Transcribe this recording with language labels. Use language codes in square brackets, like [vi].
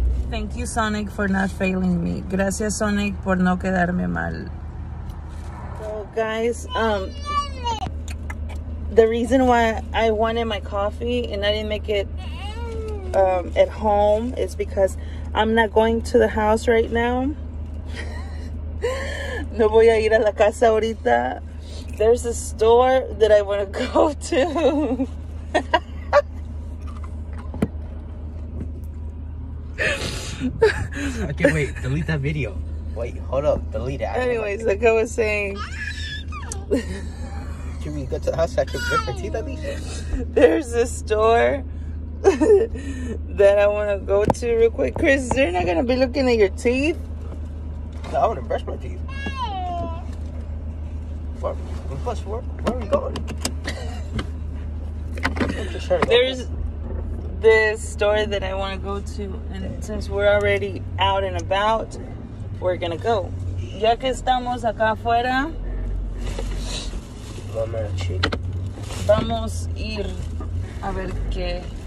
[en] Thank you, Sonic, for not failing me. [es] Gracias, Sonic, por no quedarme mal. [en] So, guys, the reason why I wanted my coffee and I didn't make it at home is because I'm not going to the house right now. [es] No voy a ir a la casa ahorita. [en] There's a store that I want to go to. Okay, wait, delete that video. Wait, hold up, delete it. Anyways, like I was saying. Can we go to the house so I can brush my teeth at least? There's a store that I want to go to real quick. Chris, they're not going to be looking at your teeth. No, I want to brush my teeth. Plus, where are we going? There's this store that I want to go to, and since we're already out and about, we're going to go. [es] Ya que estamos acá afuera, vamos ir a ver qué.